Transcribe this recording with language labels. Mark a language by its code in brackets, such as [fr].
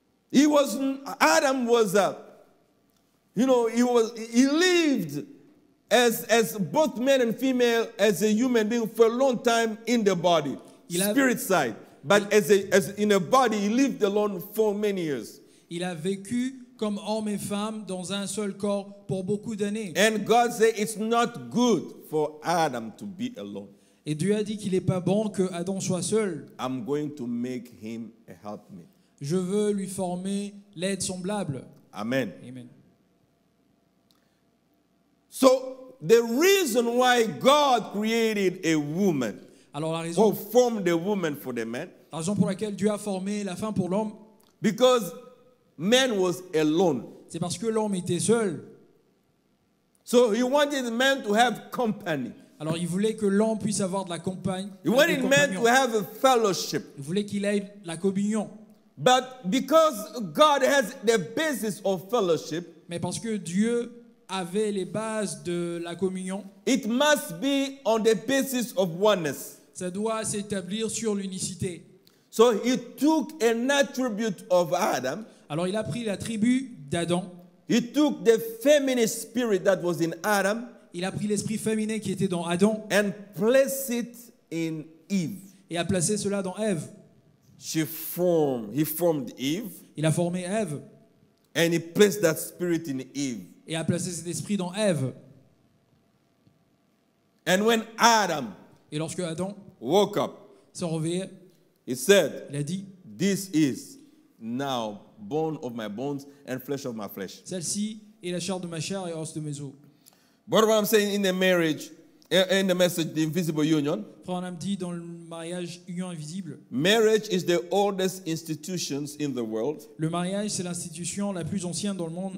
[en] He was Adam was a, you know, he lived as both man and female as a human being for a long time in the body. Spirit side, but as in a body, he lived alone for many years. [fr] Il a vécu comme homme et femme dans un seul corps pour beaucoup d'années. [en] And God said it's not good for Adam to be alone. [fr] Et Dieu a dit qu'il n'est pas bon que Adam soit seul. [en] I'm going to make him a helpmate. [fr] Je veux lui former l'aide semblable. [en] Amen. Amen. So the reason why God created a woman, [fr] alors la raison, [en] or formed a woman for the man, [fr] la raison pour laquelle Dieu a formé la femme pour l'homme, [en] because man was alone. [fr] C'est parce que l'homme était seul. [en] So he wanted man to have company. [fr] Alors il voulait que l'homme puisse avoir de la compagne. [en] He wanted man to have a fellowship. [fr] Il voulait qu'il ait la communion. [en] But because God has the basis of fellowship, [fr] mais parce que Dieu avait les bases de la communion, [en] it must be on the basis of oneness. [fr] Ça doit s'établir sur l'unicité. [en] So he took an attribute of Adam. [fr] Alors il a pris l'attribut d'Adam. [en] He took the feminine spirit that was in Adam. [fr] Il a pris l'esprit féminin qui était dans Adam. [en] And placed it in Eve. [fr] Et a placé cela dans Eve. [en] He formed Eve. [fr] Il a formé Eve. [en] And he placed that spirit in Eve. [fr] Et a placé cet esprit dans Eve. [en] And when Adam, [fr] et lorsque Adam [en] woke up, [fr] se réveillait, [en] he said, [fr] il a dit, [en] this is now bone of my bones and flesh of my flesh. [fr] Celle-ci est la chair de ma chair et os de mes os. [en] But what I'm saying in the marriage, in the message, the invisible union, [fr] Abraham dit dans le mariage, union invisible, [en] marriage is the oldest institutions in the world. [fr] Le mariage, c'est l'institution la plus ancienne dans le monde.